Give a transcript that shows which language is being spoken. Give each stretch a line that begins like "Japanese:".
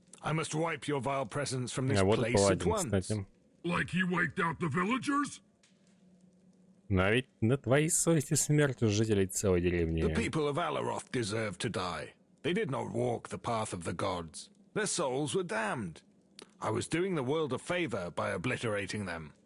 English: I must wipe your vile presence from this
Russian: а вот
English: place
Russian: Паладин,
English: at once. Like he wiped out the villagers?
Russian: Но ведь на твоей совести смерть жителей целой деревни.
English: The people of Alaroth deserve to die. They did not walk the path of the gods. Their souls were damned. I was doing the world a favor by obliterating them.